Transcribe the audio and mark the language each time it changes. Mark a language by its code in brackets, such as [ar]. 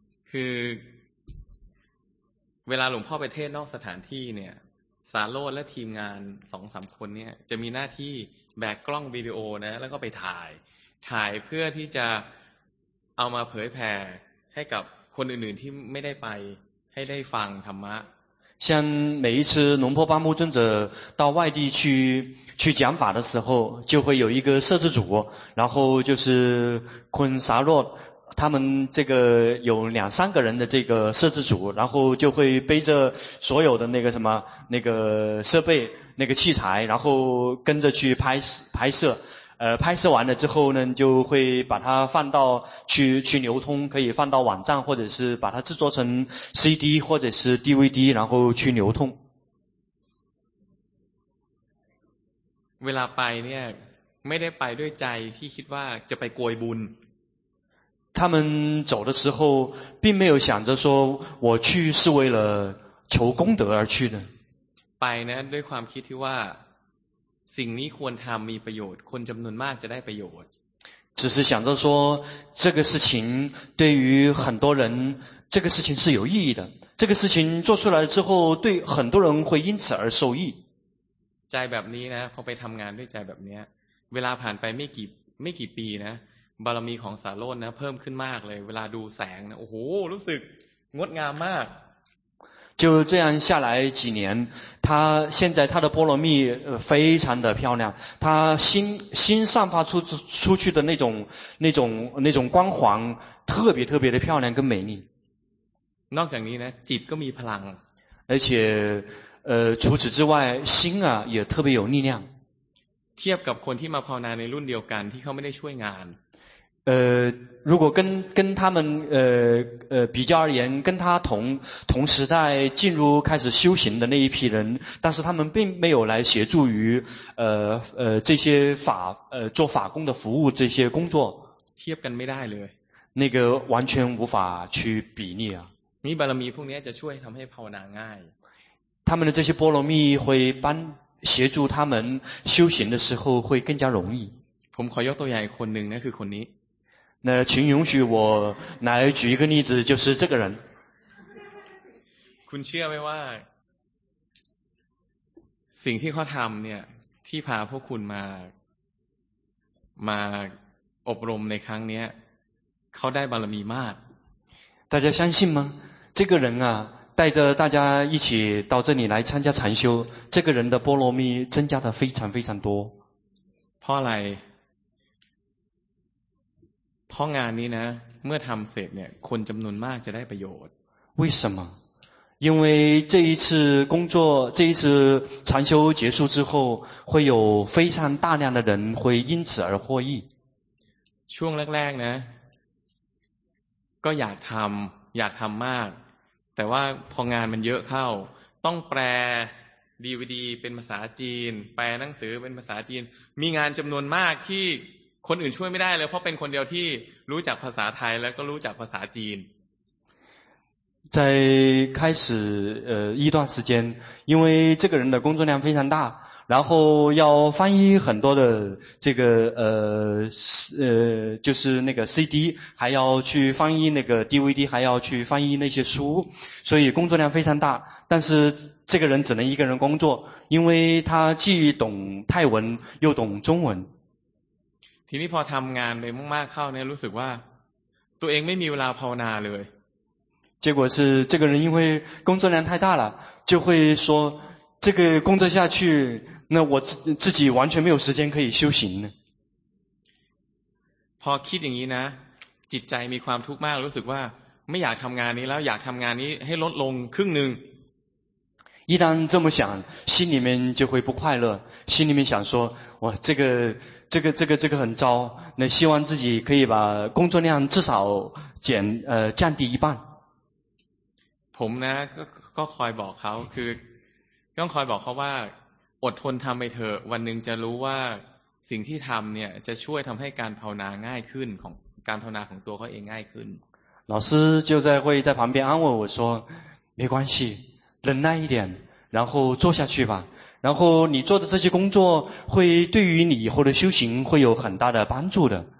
[th] คือเวลาหลวงพ่อไปเทศนอกสถานที่เนี่ยสาโรและทีมงาน 2-3 คนเนี่ยจะมีหน้าที่แบกกล้องวิดีโอนะแล้วก็ไปถ่ายเพื่อที่จะเอามาเผยแผ่ให้กับคนอื่นๆที่ไม่ได้ไปให้ได้ฟังธรรมะ [zh] 像每一次龙婆巴木尊者到外地去讲法的时候就会有一个摄制组然后就是昆沙洛他们这个有两三个人的这个摄制组然后就会背着所有的那个什么那个设备那个器材然后跟着去拍摄拍摄完了之后呢就会把它放到去流通可以放到网站或者是把它制作成 CD 或者是 DVD 然后去流通 [th] เวลาไปเนี่ยไม่ได้ไปด้วยใจที่คิดว่าจะไปโกยบุญ [zh] 他们走的时候并没有想着说我去是为了求功德而去的 [th] ไปนะด้วยความคิดที่ว่าสิ่งนี้ควรทำมีประโยชน์คนจำนวนมากจะได้ประโยชน์ [zh] 只是想着说这个事情对于很多人这个事情是有意义的这个事情做出来之后对很多人会因此而受益 [th] ใจแบบนี้นะพอไปทำงานด้วยใจแบบนี้เวลาผ่านไปไม่กี่ปีนะบารมีของสาโรจน์นะเพิ่มขึ้นมากเลยเวลาดูแสงนะโอ้โหรู้สึกงดงามมาก [zh] 就这样下来几年，他现在他的波罗蜜非常的漂亮，他心散发出去的那种光环特别特别的漂亮跟美丽。那讲呢， [th] จิตก็มีพลัง， [zh] 而且除此之外心啊也特别有力量。 [th] เทียบกับคนที่มาภาวนาในรุ่นเดียวกันที่เขาไม่ได้ช่วยงาน [zh] 如果跟他们比较而言，跟他同时代进入开始修行的那一批人，但是他们并没有来协助于这些法做法工的服务这些工作， [th] เทียบกันไม่ได้เลย， [zh] 那个完全无法去比拟啊。 [th] มีบารมีพวกนี้จะช่วยทำให้ภาวนาง่าย， [zh] 他们的这些波罗蜜会帮协助他们修行的时候会更加容易。 [th] ผมขอยกตัวอย่างคนหนึ่งนะคือคนนี้ [zh] 那请允许我来举一个例子，就是这个人。 [th] คุณเชื่อไหมว่าสิ่งที่เขาทำเนี่ยที่พาพวกคุณมาอบรมในครั้งนี้เขาได้บารมีมาก。 [zh] 大家相信吗？这个人啊，带着大家一起到这里来参加禅修，这个人的波罗蜜增加的非常非常多。 [th] เพราะอะไร？ เพราะงานนี้นะเมื่อทำเสร็จเนี่ยคนจำนวนมากจะได้ประโยชน์ [zh] 为什么因为这一次工作这一次禅修结束之后会有非常大量的人会因此而获益 [th] ช่วงแรกๆนะก็อยากทำมากแต่ว่าพองานมันเยอะเข้าต้องแปล DVD เป็นภาษาจีนแปลหนังสือเป็นภาษาจีนมีงานจำนวนมากที่คนอื่นช่วยไม่ได้เลยเพราะเป็นคนเดียวที่รู้จักภาษาไทยแล้วก็รู้จักภาษาจีน [zh] 在开始一段时间因为这个人的工作量非常大然后要翻译很多的这个就是那个 CD 还要去翻译那个 DVD 还要去翻译那些书所以工作量非常大但是这个人只能一个人工作因为他既懂泰文又懂中文 [th] ทีนี้พอทำงานไปมากๆเข้าเนี่ยรู้สึกว่าตัวเองไม่มีเวลาภาวนาเลย [zh] 结果是这个人因为工作量太大了就会说这个工作下去那我自己完全没有时间可以修行呢 [th] พอคิดอย่างนี้นะจิตใจมีความทุกข์มากรู้สึกว่าไม่อยากทำงานนี้แล้วอยากทำงานนี้ให้ลดลงครึ่งนึง [zh] 一旦这么想心里面就会不快乐心里面想说哇这个很糟那希望自己可以把工作量至少降低一半 [th] ผมนะก็คอยบอกเขาคือต้องคอยบอกเขาว่าอดทนทำไปเถอะวันหนึ่งจะรู้ว่าสิ่งที่ทำเนี่ยจะช่วยทำให้การภาวนาง่ายขึ้นของการภาวนาของตัวเขาเองง่ายขึ้น [zh] 老师就在会在旁边安慰我说没关系忍耐一点然后做下去吧然后你做的这些工作会对于你以后的修行会有很大的帮助的